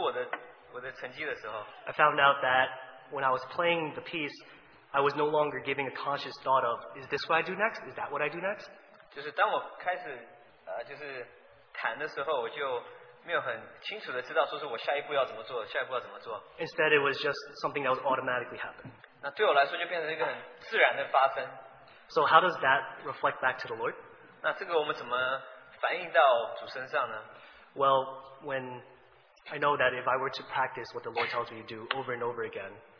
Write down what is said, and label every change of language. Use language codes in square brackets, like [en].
[en] I found out that when I was playing the piece, I was no longer giving a conscious thought of, is this what I do next? Is that what I do next? [zh] 就是当我开始弹的时候，我就没有很清楚的知道说是我下一步要怎么做，下一步要怎么做。 [en] Instead, it was just something that was automatically happening. [zh] 那对我来说就变成一个很自然的发生。 [en] So how does that reflect back to the Lord? [zh] 那这个我们怎么反映到主身上呢？ [en] Well, when I know that if I were to practice what the Lord tells me to do over and over again,